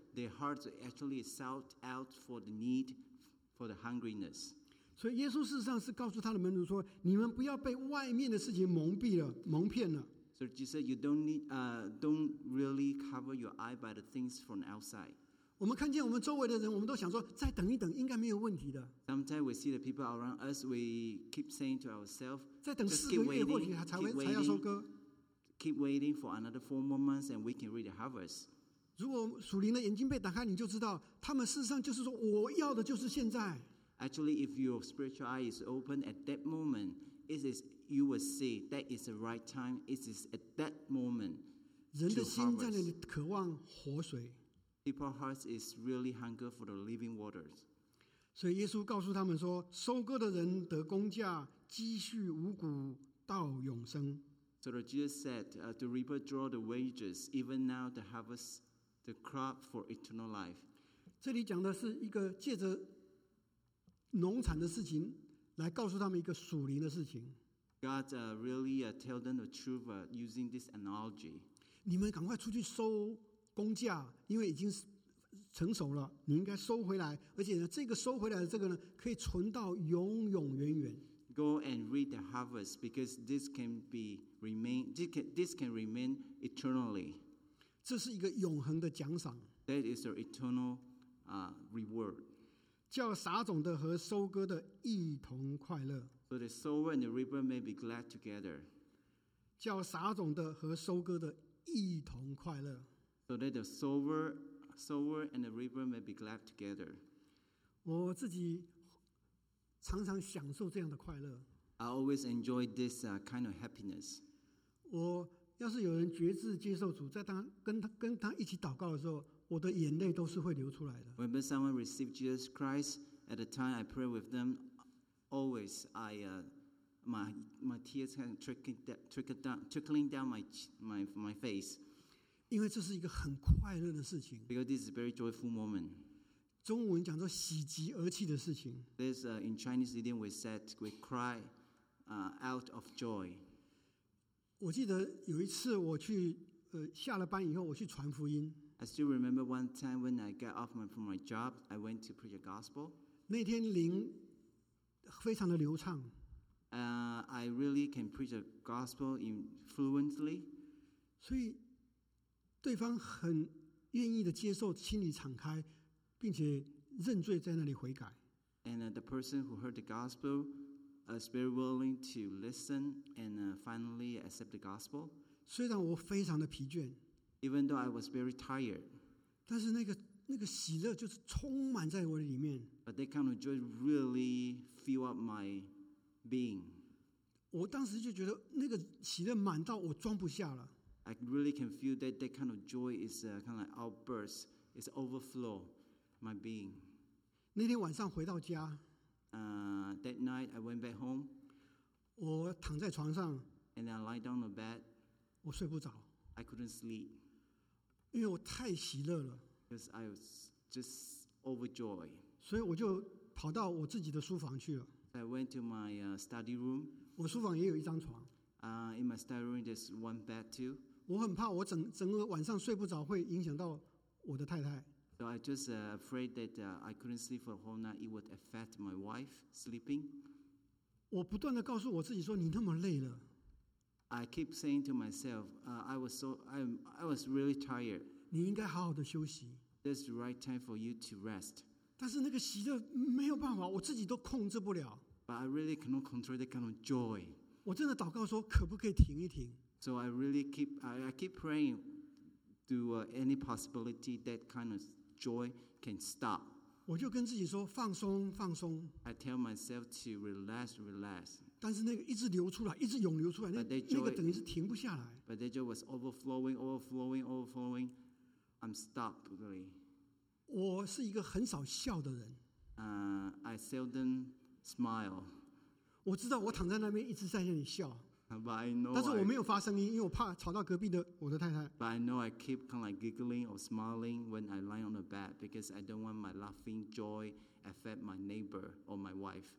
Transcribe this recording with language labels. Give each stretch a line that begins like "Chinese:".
English: Their hearts actually shout out for the need, for the hungriness.
Chinese: 所以耶稣事实上是告诉他的门徒说，你们不要被外面的事情蒙蔽了，蒙骗了。
English: So Jesus, you don't need, don't really cover your eye by the things from outside.
Chinese: 我们看见我们周围的人，我们都想说再等一等，应该没有问题的。
English: Sometimes we see the people around us, we keep saying to ourselves,
Chinese: 再等四个月或许才要收割。
English: Keep waiting for another 4 more months, and we can reap the harvest.
Chinese: 如果属灵的眼睛被打开，你就知道他们事实上就是说，我要的就是现在。
English: Actually, if your spiritual eye is open at that moment, it is you will see that is the right time. It is at that moment.
Chinese: 人的心在那里渴望活水。
English: People's hearts is really hunger for the living waters.
Chinese: 所以耶稣告诉他们说，收割的人得工价，积蓄五谷到永生。
English: So Jesus said, the reaper draw the wages, even now the harvest, the crop for eternal life.
Chinese: 这里讲的是一个借着农产的事情来告诉他们一个属灵的事情。
English: God really tell them the truth using this analogy.
Chinese: 你们赶快出去收。工价因为已经成熟了，你应该收回来，而且呢，这个收回来的这个呢，可以存到永永远远。
English: Go and reap the harvest because this can be remain. This can remain eternally.
Chinese: 这是一个永恒的奖赏。
English: That is an eternal reward.
Chinese: 叫撒种的和收割的一同快乐。
English: So the sower and the reaper may be glad together.
Chinese: 叫撒种的和收割的一同快乐。
English: So that the sower and the reaper may be glad together.
Chinese: 我自己常常享受这样的快乐。
English: I always enjoy this kind of happiness.
Chinese: 我要是有人决志接受主，在他跟他一起祷告的时候，我的眼泪都是会流出来的。
English: When someone received Jesus Christ, at the time I pray with them, always my tears can trickling down my face.
Chinese: 因为这是一个很快乐的事情。
English: Because this is a very joyful moment.
Chinese: 中文讲做喜极而泣的事情。
English: This in Chinese idiom we said we cry out of joy.
Chinese: 我记得有一次我去下了班以后我去传福音。
English: I still remember one time when I got off from my job, I went to preach a gospel.
Chinese: 那天灵非常的流畅。
English: I really can preach a gospel fluently.
Chinese: 所以对方很愿意的接受，心里敞开，并且认罪在那里悔改。
English: And the person who heard the gospel is very willing to listen and finally accept the gospel.
Chinese: 虽然我非常的疲倦。
English: Even though I was very tired,
Chinese: 但是那个喜乐就是充满在我的里面。
English: But that kind of joy really fill up my being.
Chinese: 我当时就觉得那个喜乐满到我装不下了。
English: I really can feel that kind of joy is kind of like outburst, is overflow my being.
Chinese: 那天晚上回到家，
English: that night I went back home.
Chinese: 我躺在床上，
English: and I lie down on the bed.
Chinese: 我睡不着。
English: I couldn't sleep.
Chinese: 因为我太喜乐了。
English: Because I was just overjoyed.
Chinese: 所以我就跑到我自己的书房去了。
English: I went to my study room.
Chinese: 我书房也有一张床。
English: In my study room, there's one bed too.
Chinese: 我很怕我整个晚上睡不着会影响到我的太太。
English: So I just afraid that I couldn't sleep for a whole night. It would affect my wife sleeping.
Chinese: 我不断的告诉我自己说你那么累了。
English: I keep saying to myself, I was really tired.
Chinese: 你应该好好的休息。
English: This is the right time for you to rest.
Chinese: 但是那个喜乐没有办法，我自己都控制不了。
English: But I really cannot control that kind of joy.
Chinese: 我真的祷告说，可不可以停一停
English: ？So I really keep praying. Do any possibility that kind of joy can stop?
Chinese: 我就跟自己说，放松，放松。
English: I tell myself to relax, relax.
Chinese: 但是那个一直流出来，一直涌流出来，那个等于是停不下来。
English: But that joy was overflowing, overflowing, overflowing. I'm stopped, really.
Chinese: 我是一个很少笑的人。
English: I seldom smile.
Chinese: 我知道我躺在那边一直在那里笑。
English: But I know.
Chinese: 但是我没有发声音，因为我怕吵到隔壁的我的太太。
English: But I know I keep kind of like giggling or smiling when I lie on the bed because I don't want my laughing joy affect my neighbor or my wife.